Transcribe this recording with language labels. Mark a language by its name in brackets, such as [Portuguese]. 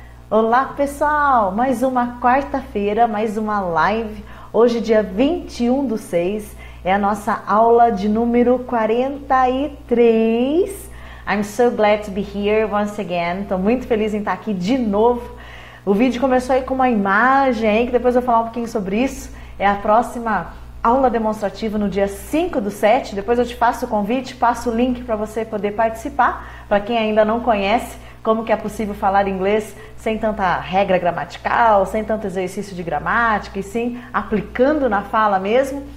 [Portuguese] Olá pessoal, mais uma quarta-feira, mais uma live. Hoje, dia 21 do 6, é a nossa aula de número 43. [English] I'm so glad to be here once again. [Portuguese] Estou muito feliz em estar aqui de novo. O vídeo começou aí com uma imagem, hein, que depois eu vou falar um pouquinho sobre isso. É a próxima aula demonstrativa no dia 5 do 7. Depois eu te faço o convite, passo o link para você poder participar. Para quem ainda não conhece, como que é possível falar inglês sem tanta regra gramatical, sem tanto exercício de gramática e sim aplicando na fala mesmo.